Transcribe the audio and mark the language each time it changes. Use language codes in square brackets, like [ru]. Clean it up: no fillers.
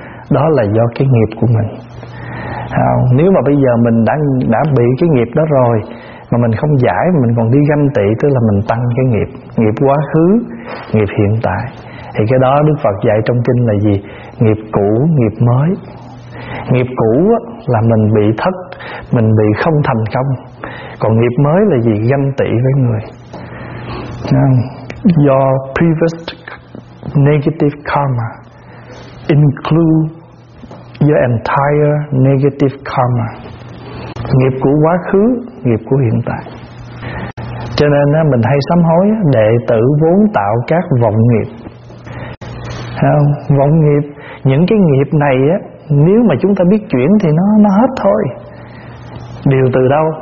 [vi] Đó là do cái nghiệp của mình. Nếu mà bây giờ mình đã bị cái nghiệp đó rồi mà mình không giải, mình còn đi ganh tị, tức là mình tăng cái nghiệp, nghiệp quá khứ, nghiệp hiện tại. Thì cái đó Đức Phật dạy trong kinh là gì? Nghiệp cũ, nghiệp mới. Nghiệp cũ là mình bị thất, mình bị không thành công. Còn nghiệp mới là gì? Ganh tị với người. [en] Your previous negative karma include your entire negative karma. [vi] Nghiệp của quá khứ, nghiệp của hiện tại. Cho nên mình hay sám hối: đệ tử vốn tạo các vọng nghiệp. Vọng nghiệp, những cái nghiệp này nếu mà chúng ta biết chuyển thì nó hết thôi. Điều từ đâu?